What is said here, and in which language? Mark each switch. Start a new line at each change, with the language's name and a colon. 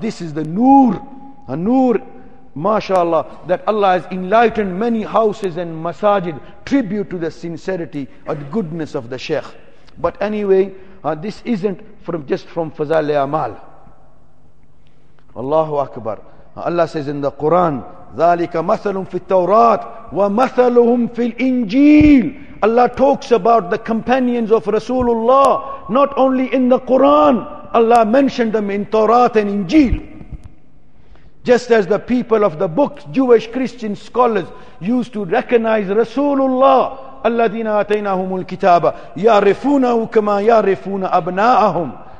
English: This is the noor. A noor. MashaAllah, that Allah has enlightened many houses and masajid, tribute to the sincerity and goodness of the Shaykh. But anyway, this isn't from just from Fazal-e Amal. Allahu Akbar. Allah says in the Quran,
Arabic: ذَلِكَ مَثَلٌ فِي التَّوْرَاتِ وَمَثَلُهُمْ فِي الْإِنْجِيلِ.
English: Allah talks about the companions of Rasulullah, not only in the Quran. Allah mentioned them in Torah and Injil. Just as the people of the book, Jewish Christian scholars, used to recognize Rasulullah,
Arabic: الَّذِينَ آتَيْنَاهُمُ الْكِتَابَ يَعْرِفُونَهُ كَمَا يَعْرِفُونَ أَبْنَاءَهُمْ.